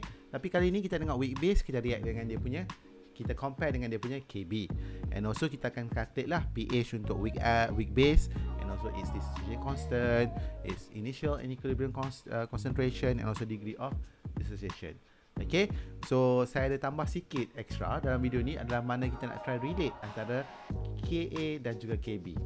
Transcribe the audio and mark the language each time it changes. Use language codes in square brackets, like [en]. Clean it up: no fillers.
[ms] Tapi kali ni kita tengok weak base, kita react dengan dia punya, kita compare dengan dia punya KB. [en] And also [ms] kita akan calculate lah pH untuk weak base. [en] And also its dissociation constant, its initial and equilibrium concentration, and also degree of dissociation. [ms] Okay, so saya ada tambah sikit extra dalam video ni adalah mana kita nak try relate antara Ka dan juga KB.